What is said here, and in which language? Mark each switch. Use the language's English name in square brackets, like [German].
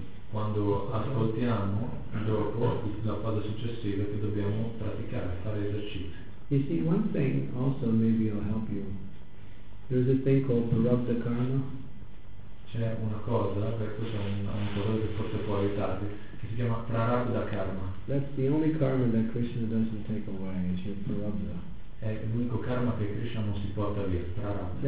[Italian] Quando ascoltiamo, dopo la fase successiva che dobbiamo praticare, fare esercizi. [English] You see, one thing also maybe I'll help you. There's a thing called Parabdha Karma. [Italian] C'è una cosa, questo è un parola che forse può aiutarvi, che si chiama Prarabdha Karma. [English] That's the only karma that Krishna doesn't take away, is your Parabdha. [Italian] È l'unico karma che Krishna non si porta via, prarabdha.